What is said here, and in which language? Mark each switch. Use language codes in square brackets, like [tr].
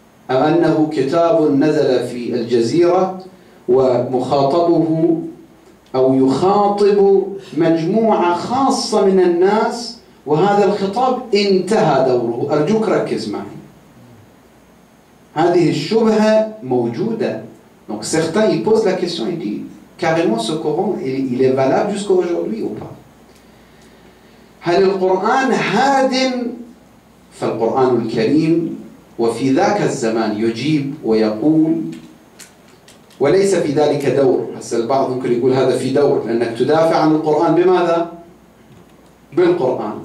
[ar] أم أنه كتاب نزل في الجزيرة ومخاطبه أو يخاطب مجموعة خاصة من الناس وهذا الخطاب انتهى دوره؟ أرجوك ركز معي، هذه الشبهة موجودة. [fr] Donc certains ils posent la question et disent carrément ce Coran il est valable jusqu'à aujourd'hui ou pas. [ar] هل القرآن هاد؟ فالقرآن الكريم وفي ذاك الزمان يجيب ويقول، وليس في ذلك دور. هسه البعض ممكن يقول هذا في دور، لأنك تدافع عن القرآن بماذا؟ بالقرآن.